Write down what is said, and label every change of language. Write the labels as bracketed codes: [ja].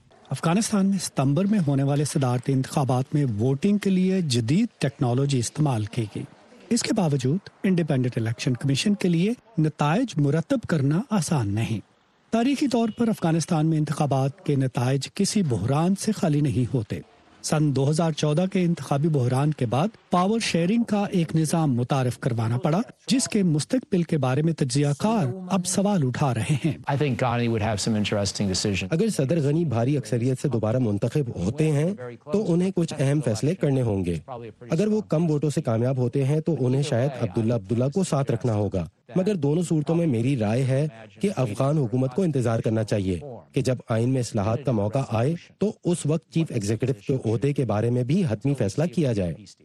[ur] افغانستان میں ستمبر میں ہونے والے صدارتی انتخابات میں ووٹنگ کے لیے جدید ٹیکنالوجی استعمال کی گئی، اس کے باوجود انڈیپینڈنٹ الیکشن کمیشن کے لیے نتائج مرتب کرنا آسان نہیں۔ تاریخی طور پر افغانستان میں انتخابات کے نتائج کسی بحران سے خالی نہیں ہوتے۔ سن 2014 کے انتخابی بحران کے بعد پاور شیئرنگ کا ایک نظام متعارف کروانا پڑا، جس کے مستقبل کے بارے میں تجزیہ کار اب سوال اٹھا رہے ہیں۔ [en] I think Ghani would have some interesting decision. [ur] اگر صدر غنی بھاری اکثریت سے دوبارہ منتخب ہوتے ہیں تو انہیں کچھ اہم فیصلے کرنے ہوں گے۔ اگر وہ کم ووٹوں سے کامیاب ہوتے ہیں تو انہیں شاید عبداللہ عبداللہ کو ساتھ رکھنا ہوگا، مگر دونوں صورتوں میں میری رائے ہے کہ افغان حکومت کو انتظار کرنا چاہیے کہ جب آئین میں اصلاحات کا موقع آئے تو اس وقت چیف ایگزیکٹو کے عہدے کے بارے میں بھی حتمی فیصلہ کیا جائے۔